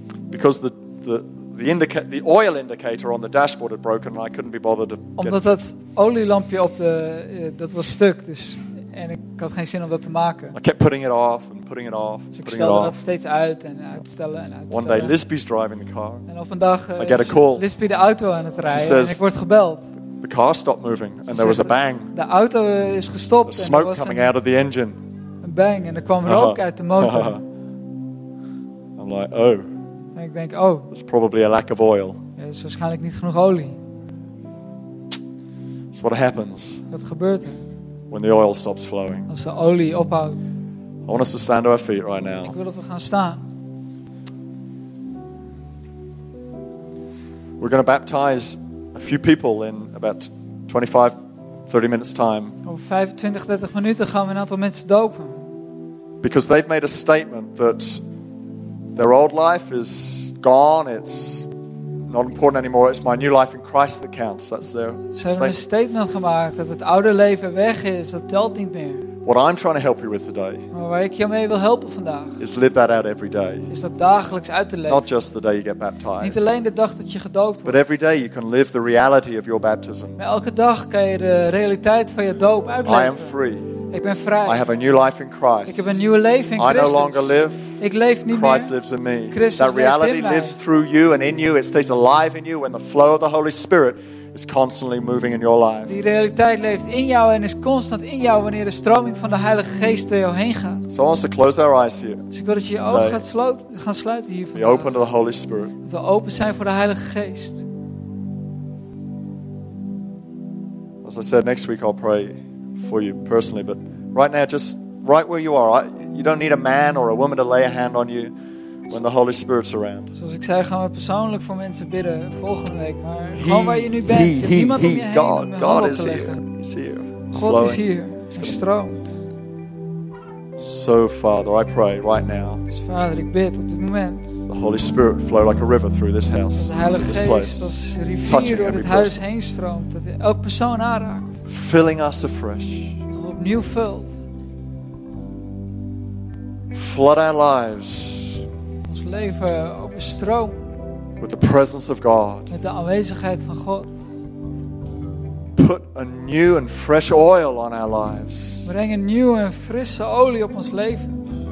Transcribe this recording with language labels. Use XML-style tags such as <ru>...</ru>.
<en>Because the oil indicator on the dashboard had broken and I couldn't be bothered to.</en> <nl>Omdat dat olielampje op de dat was stuk, dus. En ik had geen zin om dat te maken.</nl> <en>I kept putting it off and putting it off.</en> <nl>Dus ik stelde dat steeds uit en uitstellen en uitstellen.</nl> <en>One day Lisby's driving the car.</en> <nl>En op een dag</nl> <en>I get a call.</en> <nl>Lisby de auto aan het rijden.</nl> <en>She says,</en> <nl>en ik word gebeld.</nl> <en>The car stopped moving and there was a bang.</en> <nl>De auto is gestopt.</nl> <en>There's smoke coming out of the engine.</en> <nl>Een bang en er kwam rook uit de motor.</nl> <en>I'm like, oh.</en> <nl>En ik denk, oh.</nl> <en>There's probably a lack of oil.</en> <nl>Ja, er is waarschijnlijk niet genoeg olie.</nl> <en>That's what happens.</en> <nl>Dat gebeurt er.</nl> <en>When the oil stops flowing.</en> <nl>Als de olie ophoudt.</nl> <en>I want us to stand to our feet right now.</en> <nl>Ik wil dat we gaan staan.</nl> <en>We're going to baptize a few people in about 25-30 minutes time.</en> <nl>Over 25-30 minuten gaan we een aantal mensen dopen.</nl> <en>Because they've made a statement that their old life is gone. It's not important anymore. It's my new life in Christ that counts. That's their</en> <nl>statement. Ze hebben een statement gemaakt dat het oude leven weg is. Dat telt niet meer.</nl> <en>What I'm trying to help you with today.</en> <nl>Maar waar ik je mee wil helpen vandaag.</nl> <en>Is live that out every day.</en> <nl>Is dat dagelijks uit te leven.</nl> <en>Not just the day you get baptized.</en> <nl>Niet alleen de dag dat je gedoopt wordt.</nl> <en>But every day you can live the reality of your baptism.</en> <nl>Maar elke dag kan je de realiteit van je doop uitleven.</nl> <en>I am free.</en> <nl>Ik ben vrij.</nl> <en>I have a new life in Christ.</en> <nl>Ik heb een nieuwe leven in Christus.</nl> <en>I no longer live.</en> <nl>Ik leef niet</nl> <en>Christ</en> <nl>meer.</nl> <en>Lives in me.</en> <nl>Christus</nl> <en>that reality lives through you and in you. It stays alive in you when the flow of the Holy Spirit is constantly moving in your life.</en> <nl>Die realiteit leeft in jou en is constant in jou wanneer de stroming van de Heilige Geest door jou heen gaat.</nl> <en>So I want us to close our eyes here.</en> <nl>Dus ik wil dat je je ogen gaan sluiten hier vandaag.</nl> <en>Be open to the Holy Spirit.</en> <nl>Dat we open zijn voor de Heilige Geest.</nl> <en>As I said, next week I'll pray for you personally, but right now just right where you are. You don't need a man or a woman to lay a hand on you when the Holy Spirit's around.</en> <nl>Zoals ik zei, gaan we persoonlijk voor mensen bidden volgende week. Maar gewoon waar je nu bent, je hebt niemand om je heen.</nl> <en>God is here. He's here.</en> <nl>God is hier. Hij stroomt.</nl> <en>So Father, I pray right now.</en> <nl>Dus Vader, ik bid op dit moment.</nl> <en>The Holy Spirit flow like a river through this house.</en> <nl>De Heilige Geest als rivier door het huis heen stroomt, dat elke persoon aanraakt.</nl> <en>Filling us afresh.</en> <nl>Dat het opnieuw vult.</nl> <en>Flood our lives.</en> <nl>Ons leven overstroom.</nl> <en>With the presence of God.</en> <nl>Met de aanwezigheid van God.</nl> <en>Put a new and fresh oil on our lives.</en> <nl>Breng een nieuwe en frisse olie op ons leven.</nl>